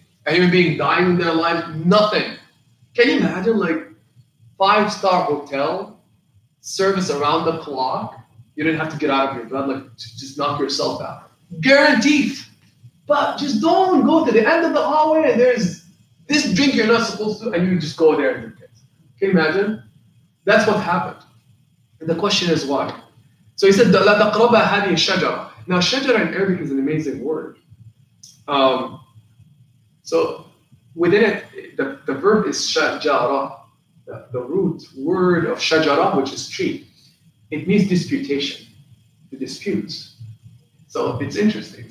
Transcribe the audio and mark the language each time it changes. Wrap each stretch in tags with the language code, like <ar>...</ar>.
<en>A human being dying in their life, nothing. Can you imagine, like, five-star hotel, service around the clock, you didn't have to get out of your bed, like, just knock yourself out. Guaranteed. But just don't go to the end of the hallway and there's this drink you're not supposed to, and you just go there and drink it. Can you imagine? That's what happened. And the question is why? So he said,</en> <ar>لَا تَقْرَبَ هَذِي الشَّجَرَ.</ar> <en>Now, shajara in Arabic is an amazing word. So within it, the verb is shajara, the root word of shajara, which is tree. It means disputation, the disputes. So it's interesting.</en>